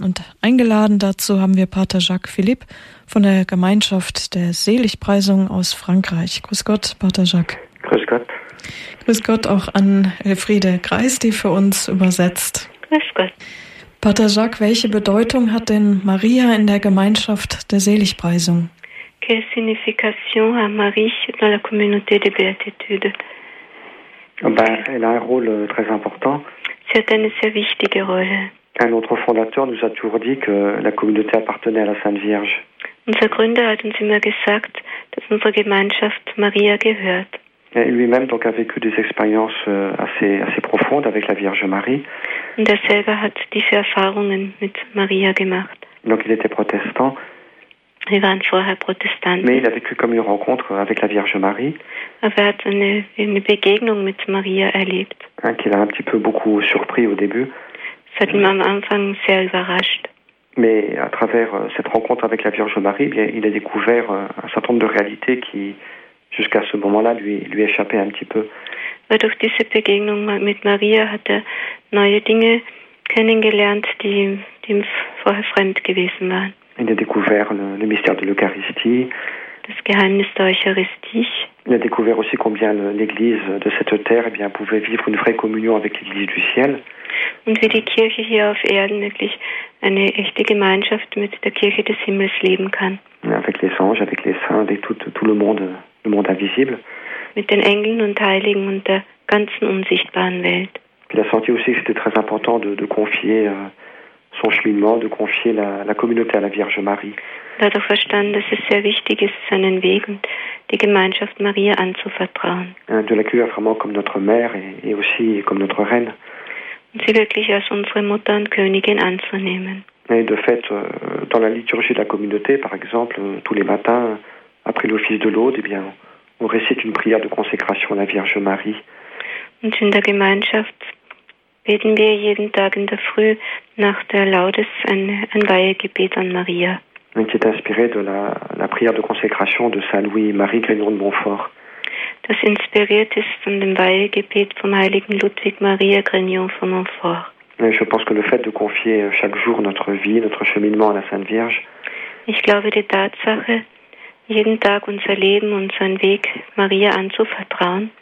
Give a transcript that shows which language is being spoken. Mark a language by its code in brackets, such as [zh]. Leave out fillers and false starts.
[de] Und eingeladen dazu haben wir Pater Jacques Philippe von der Gemeinschaft der Seligpreisung aus Frankreich. Grüß Gott, Pater Jacques. Grüß Gott. Grüß Gott auch an Elfriede Kreis, die für uns übersetzt. Grüß Gott. Pater Jacques, welche Bedeutung hat denn Maria in der Gemeinschaft der Seligpreisung? [fr] Quelle signification a Marie dans la communauté des béatitudes? Elle a un rôle très important. C'est une [de] sehr wichtige Rolle. [fr] Un autre fondateur nous a toujours dit que la communauté appartenait à la Sainte Vierge. [de] Unser Gründer hat uns immer gesagt, dass unsere Gemeinschaft Maria gehört. [fr] Et lui-même donc a vécu des expériences assez profondes avec la Vierge Marie. [de] Und selber hat diese Erfahrungen mit Maria gemacht. [fr] Donc il était protestant. Il [de] war vorher protestant. [fr] Mais il a vécu comme une rencontre avec la Vierge Marie. [de] Aber er hat eine Begegnung mit Maria erlebt. [fr] Hein, qui l'a un petit peu beaucoup surpris au début. Ça [de] hat ihn am Anfang sehr überrascht. [fr] Mais à travers cette rencontre avec la Vierge Marie, bien, il a découvert un certain nombre de réalités qui jusqu'à ce moment-là, lui échappait un petit peu. [de] Weil durch diese Begegnung mit Maria hat er neue Dinge kennengelernt, die ihm vorher fremd gewesen waren. [fr] Il a découvert le mystère de l'Eucharistie. [de] Das Geheimnis der Eucharistie. [fr] Il a découvert aussi combien l'Église de cette terre eh bien, pouvait vivre une vraie communion avec l'Église du ciel. [de] Und wie die Kirche hier auf Erden wirklich eine echte Gemeinschaft mit der Kirche des Himmels leben kann. [fr] Avec les anges, avec les saints, avec tout le monde. Le monde invisible. [de] Mit den Engeln und Heiligen und der ganzen unsichtbaren Welt. [fr] Il a senti aussi que c'était très important de confier son cheminement, de confier la communauté à la Vierge Marie. [de] Er hat auch verstanden, dass es sehr wichtig ist, seinen Weg und die Gemeinschaft Maria anzuvertrauen. [fr] De l'accueillir vraiment comme notre mère et aussi comme notre reine. [de] Und sie wirklich als unsere Mutter und Königin anzunehmen. [fr] Et de fait, dans la liturgie de la communauté, par exemple, tous les matins, après l'office de l'aude, eh bien, on récite une prière de consécration à la Vierge Marie. [de] Und in der Gemeinschaft beten wir jeden Tag in der Früh nach der Laudes ein Weihegebet an Maria. Und [fr] qui est inspiré de la prière de consécration de Saint Louis-Marie Grignon de Montfort. [de] Das inspiriert ist von dem Weihegebet vom heiligen Ludwig Maria Grignon von Montfort. [fr] Et je pense que le fait de confier chaque jour notre vie, notre cheminement à la Sainte Vierge. [de] Ich glaube, die Tatsache, jeden Tag unser Leben, unseren Weg Maria anzuvertrauen.